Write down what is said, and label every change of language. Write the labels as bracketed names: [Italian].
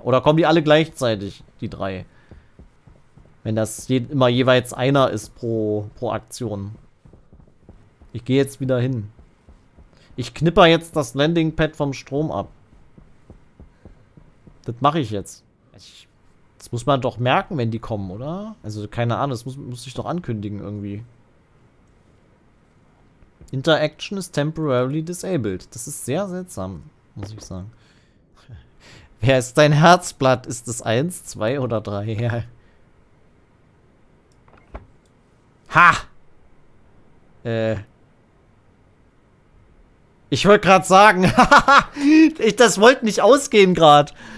[German] Oder kommen die alle gleichzeitig, die drei? Wenn das immer jeweils einer ist pro Aktion. Ich gehe jetzt wieder hin. Ich knipper jetzt das Landingpad vom Strom ab. Das mache ich jetzt. Das muss man doch merken, wenn die kommen, oder? Also keine Ahnung, das muss ich doch ankündigen irgendwie. [English] Interaction is temporarily disabled. [German] Das ist sehr seltsam, muss ich sagen. Wer ist dein Herzblatt? Ist es eins, zwei oder drei? Ja. Ha! Ich wollte gerade sagen, das wollte nicht ausgehen gerade.